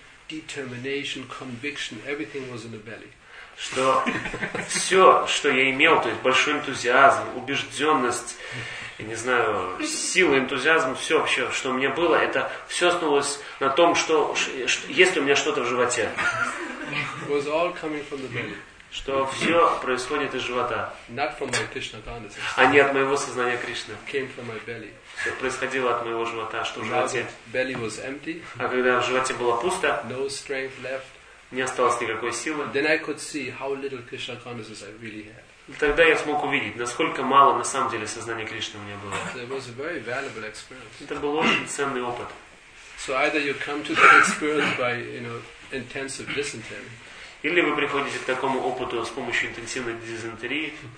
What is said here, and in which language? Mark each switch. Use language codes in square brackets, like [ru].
[en] Determination, conviction, everything was in the belly. [ru] Что все, что я имел, то есть большой энтузиазм, убежденность, я не знаю, сила, энтузиазм, все вообще, что у меня было, это все основалось на том, что есть ли у меня что-то в животе. [en] Was all coming from the belly. [ru] Что все происходит из живота. [en] Not from my Krishna consciousness. [ru] А не от моего сознания Кришны. [en] Came from my belly. [ru] Все происходило от моего живота, что в животе. [en] Belly was empty. [ru] А когда в животе было пусто, [en] no strength left. [ru] Не осталось никакой силы. [en] Then I could see how little Krishna consciousness I really had. [ru] Тогда я смог увидеть, насколько мало на самом деле сознания Кришны у меня было. [en] So it was a very valuable experience. [ru] Это был очень ценный опыт. [en] So either you come to that experience by, you know, intensive dysentery. [ru] Или вы приходите к такому опыту с помощью интенсивной дизентерии.